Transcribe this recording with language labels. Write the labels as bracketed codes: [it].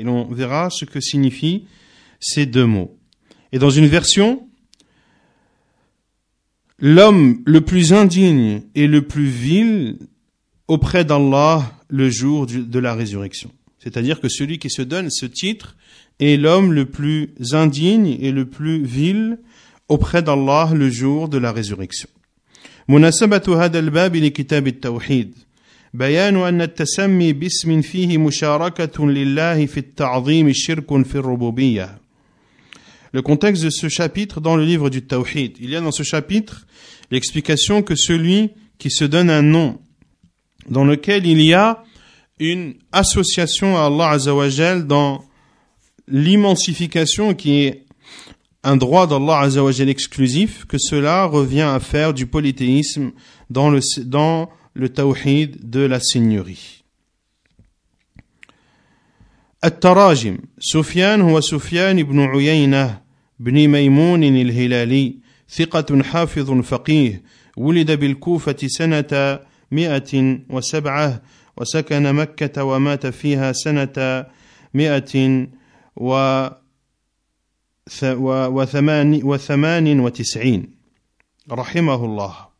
[fr] Et on verra ce que signifie ces deux mots. Et dans une version, l'homme le plus indigne et le plus vil auprès d'Allah le jour de la résurrection. C'est-à-dire que celui qui se donne ce titre est l'homme le plus indigne et le plus vil auprès d'Allah le jour de la résurrection. [ar] مناسبة هذا الباب لكتاب التوحيد بيان أن التسمي باسم فيه مشاركة لله في التعظيم الشرك في الربوبية. [fr] Le contexte de ce chapitre dans le livre du Tawhid. Il y a dans ce chapitre l'explication que celui qui se donne un nom dans lequel il y a une association à Allah Azzawajal dans l'immensification qui est un droit d'Allah Azzawajal exclusif, que cela revient à faire du polythéisme dans le Tawhid de la Seigneurie. [ar] التراجم سفيان هو سفيان بن عيينة بن ميمون الهلالي ثقة حافظ فقيه ولد بالكوفة سنة 107 وسكن مكة ومات فيها سنة 198 رحمه الله